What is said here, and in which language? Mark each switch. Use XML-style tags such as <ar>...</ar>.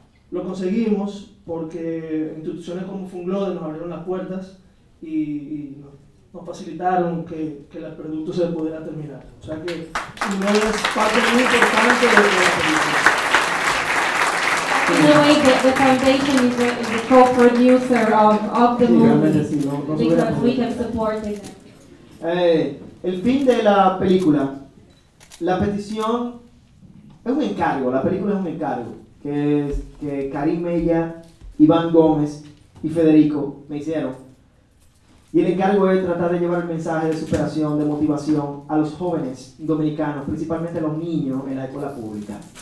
<es>Lo conseguimos porque instituciones como Funglode nos abrieron las puertas y nos facilitaron que el producto se pudiera terminar. O sea que no es parte muy importante de la película.</es> <en>In a way, the Foundation is the co-producer of the movie, because we have supported them.</en> <es>El fin de la película, la petición es un encargo, la película es un encargo que Karim Mella, Iván Gómez y Federico me hicieron. Y el encargo es tratar de llevar el mensaje de superación, de motivación a los jóvenes dominicanos, principalmente a los niños en la escuela pública.</es>